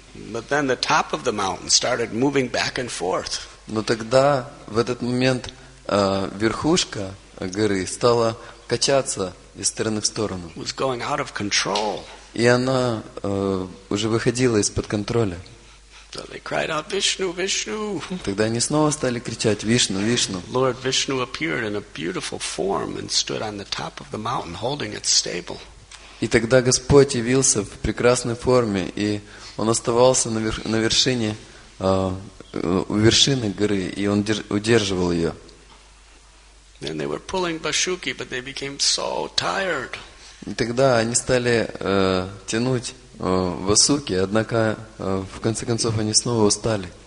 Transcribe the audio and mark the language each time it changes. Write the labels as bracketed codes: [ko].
[en] But then the top of the mountain started moving back and forth. [ru] Но тогда в этот момент верхушка горы стала качаться из стороны в сторону. [en] Was going out of control. [ru] И она уже выходила из-под контроля. [en] So they cried out, Vishnu, Vishnu. [ru] Тогда они снова стали кричать: Вишну, Вишну. [en] Lord Vishnu appeared in a beautiful form and stood on the top of the mountain, holding it stable. [ru] И тогда Господь явился в прекрасной форме, и он оставался на вершине вершины горы, и он удерживал ее. [en] Then they were pulling Bashuki, but they became so tired. [ru] И тогда они стали тянуть Васуки, однако в конце концов они снова устали.